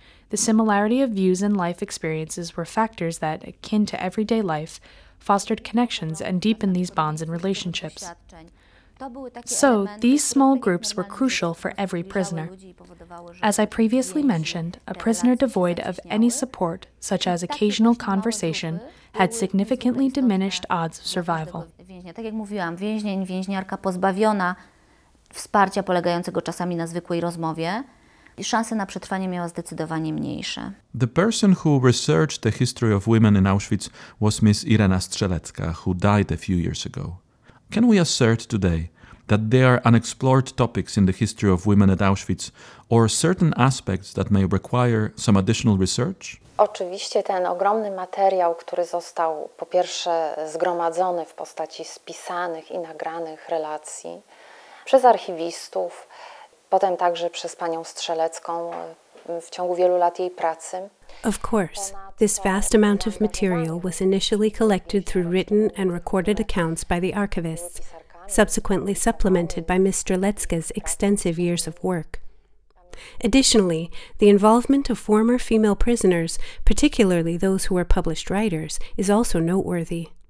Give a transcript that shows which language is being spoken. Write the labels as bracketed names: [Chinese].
[English] The similarity of views and life experiences were factors that, akin to everyday life, fostered connections and deepened these bonds and relationships. So, these small groups were crucial for every prisoner. As I previously mentioned, a prisoner devoid of any support, such as occasional conversation, had significantly diminished odds of survival. [Polish] Tak jak mówiłam, więzień, więźniarka pozbawiona wsparcia polegającego czasami na zwykłej rozmowie, szanse na przetrwanie miała zdecydowanie mniejsze. [English] The person who researched the history of women in Auschwitz was Miss Irena Strzelecka, who died a few years ago. Can we assert today that there are unexplored topics in the history of women at Auschwitz or certain aspects that may require some additional research? [Polish] Oczywiście ten ogromny materiał, który został po pierwsze zgromadzony w postaci spisanych i nagranych relacji przez archiwistów, potem także przez panią Strzelecką w ciągu wielu lat jej pracy. [English] Of course, this vast amount of material was initially collected through written and recorded accounts by the archivists, subsequently supplemented by Ms. Strzelecka's extensive years of work. Additionally, the involvement of former female prisoners, particularly those who were published writers, is also noteworthy.